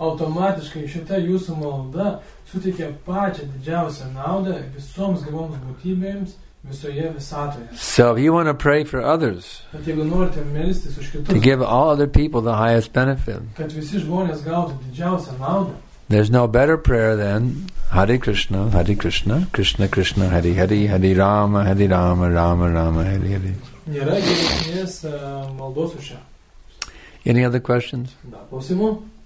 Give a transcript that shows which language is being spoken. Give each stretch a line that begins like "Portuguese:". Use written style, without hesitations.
Lithuanian: Automatiškai šita jūsų malda suteikia pačią didžiausią naudą visoms gyvoms būtybėms visoje visatoje.
English: So if you want to pray for others,
Lithuanian: kad jeigu norite melstis už kitus,
English: to give all other people the highest benefit,
Lithuanian: kad visi žmonės gautų didžiausią naudą,
English: there's no better prayer than Hare Krishna, Hare Krishna, Krishna Krishna, Hare Hare, Hare Rama, Hare Rama, Rama Rama, Hare Hare.
Lithuanian: Nėra geresnės maldos už šią.
English: Any other questions? Possible.